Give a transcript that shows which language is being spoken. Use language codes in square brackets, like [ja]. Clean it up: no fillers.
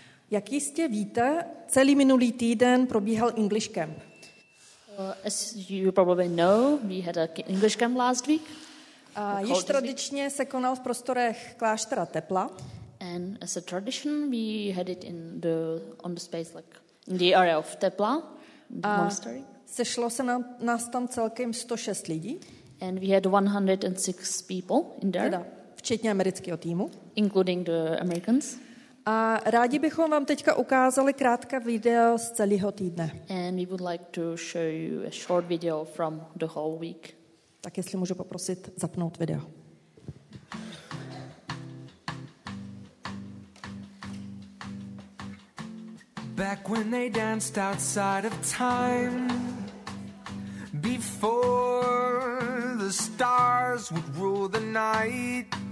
[cs] Jak jistě víte, celý minulý týden probíhal English camp. [en] As you probably know, we had an English camp last week. [cs] Již tradičně se konal v prostorech kláštera Tepla. [en] And as a tradition, we had it in the on the space like in the area of Tepla, the monastery. [cs] Sešlo se nás tam celkem 106 lidí. [en] And we had 106 people in there. [cs] Teda, včetně amerického týmu. [en] Including the Americans. [cs] A rádi bychom vám teďka ukázali krátké video z celého týdne. [en] And we would like to show you a short video from the whole week. [cs] Tak jestli můžu poprosit zapnout video. [en] Back when they danced outside of time, before the stars would rule the night.